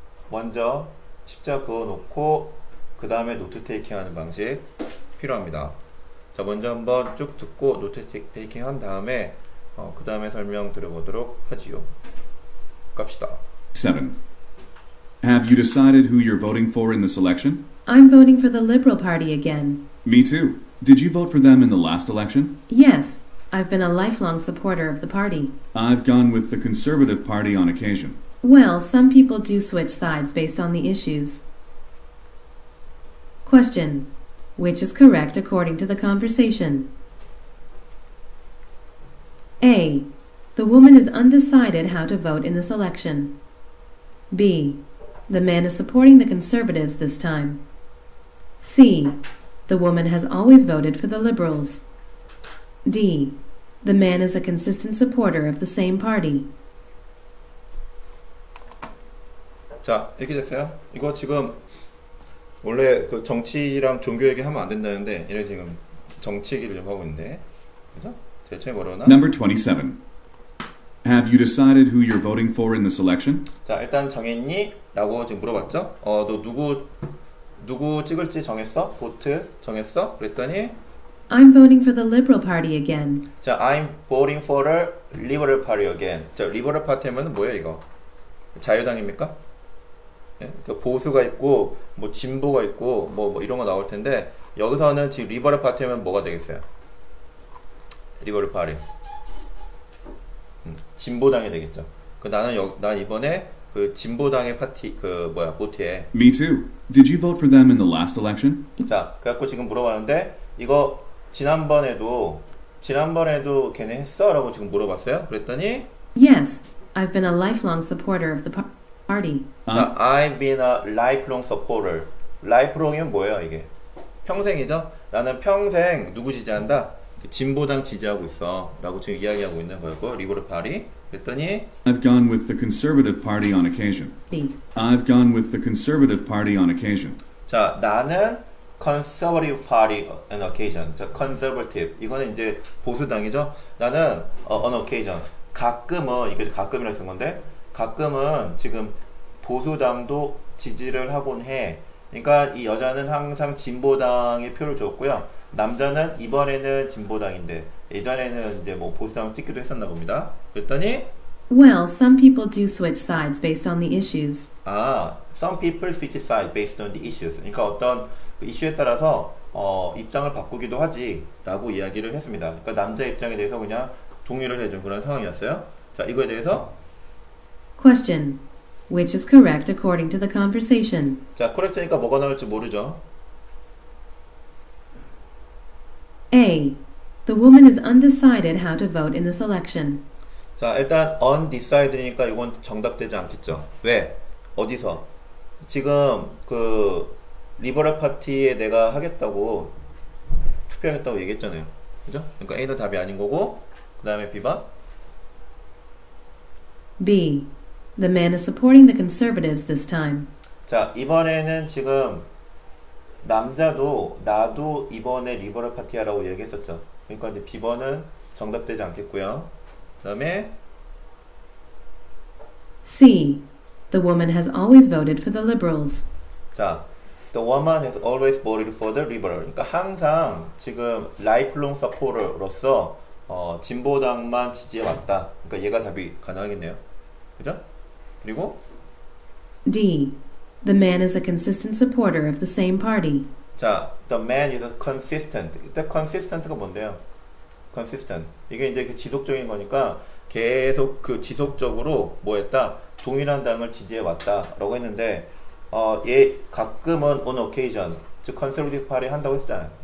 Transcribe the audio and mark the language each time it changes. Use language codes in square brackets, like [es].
[ko] 먼저 십자 그어놓고 그 다음에 노트 테이킹 하는 방식 필요합니다. 자, 먼저 한번 쭉 듣고 노트 테이킹 한 다음에 그 다음에 설명 드려보도록 하지요. 갑시다. 7. [en] Have you decided who you're voting for in this election? I'm voting for the Liberal Party again. Me too. Did you vote for them in the last election? Yes, I've been a lifelong supporter of the party. I've gone with the Conservative Party on occasion. Well, some people do switch sides based on the issues. Question: Which is correct according to the conversation? A. The woman is undecided how to vote in this election. B. The man is supporting the conservatives this time. C. The woman has always voted for the liberals. D. The man is a consistent supporter of the same party. [ko] 자, 이렇게 됐어요. 이거 지금 원래 그 정치랑 종교 얘기 하면 안 된다는데, 이래 지금 정치 얘기를 좀 하고 있네. 그죠? 대체 뭐라나? [en] Number 27. Have you decided who you're voting for in this election? [ko] 자, 일단 정했니? 라고 지금 물어봤죠? 너 누구 찍을지 정했어? 보트 정했어? 그랬더니, [en] I'm voting for the Liberal Party again. 자, I'm voting for a liberal party again. [ko] 자, liberal party 하면 뭐예요, 이거? 자유당입니까? 예? 그 보수가 있고 뭐 진보가 있고 뭐 이런 거 나올 텐데 여기서는 지금 리버럴 파티면 뭐가 되겠어요? 리버럴 파티. 진보당이 되겠죠. 그 난 이번에 그 진보당의 파티 그 뭐야 보트에. [en] Me too. Did you vote for them in the last election? [ko] 자, 그래갖고 지금 물어봤는데 이거 지난번에도 걔네 했어라고 지금 물어봤어요. 그랬더니 [en] Yes, I've been a lifelong supporter of the party. 자, I've been a lifelong supporter. [ko] Lifelong이면 뭐예요, 이게? 평생이죠? 나는 평생 누구 지지한다? 진보당 지지하고 있어. 라고 지금 이야기하고 있는 거고, 리버럴 파티. 그랬더니, [en] I've gone with the Conservative Party on occasion. I've gone with the Conservative Party on occasion. 자, [ko] 나는 [en] Conservative Party on occasion. 자, Conservative. [ko] 이거는 이제 보수당이죠? 나는 [en] on occasion. [ko] 가끔은, 이게 가끔이라고 쓴 건데, 가끔은 지금 보수당도 지지를 하곤 해. 그러니까 이 여자는 항상 진보당에 표를 줬고요. 남자는 이번에는 진보당인데 예전에는 이제 뭐 보수당 찍기도 했었나 봅니다. 그랬더니 [en] Well, some people do switch sides based on the issues. some people switch sides based on the issues. [ko] 그러니까 어떤 그 이슈에 따라서 입장을 바꾸기도 하지라고 이야기를 했습니다. 그러니까 남자 입장에 대해서 그냥 동의를 해준 그런 상황이었어요. 자, 이거에 대해서 [en] Question: Which is correct according to the conversation? [ko] 자, 코렉트니까 뭐가 나올지 모르죠. [en] A. The woman is undecided how to vote in this election. [ko] 자, 일단 undecided니까 이건 정답되지 않겠죠. 왜? 어디서? 지금 그 리버럴 파티에 내가 하겠다고 투표하겠다고 얘기했잖아요. 그죠? 그러니까 A는 답이 아닌 거고, 그 다음에 B번. [en] B. The man is supporting the conservatives this time. [ko] 자, 이번에는 지금 남자도 나도 이번에 리버럴 파티 하라고 얘기했었죠. 그러니까 이제 B번은 정답되지 않겠고요. 그다음에 [en] C. The woman has always voted for the liberals. 자, The woman has always voted for the liberal. [ko] 그러니까 항상 지금 라이프롱 서포터로서 진보당만 지지해 왔다. 그러니까 얘가 답이 가능하겠네요. 그죠? 그리고 [en] D. The man is a consistent supporter of the same party. 자, the man is consistent. [ko] 일단 consistent가 뭔데요? [en] consistent. [ko] 이게 이제 그 지속적인 거니까 계속 그 지속적으로 뭐 했다? 동일한 당을 지지해 왔다라고 했는데 얘 가끔은 [en] on occasion [ko] 즉 [en] conservative party [ko] 한다고 했잖아요.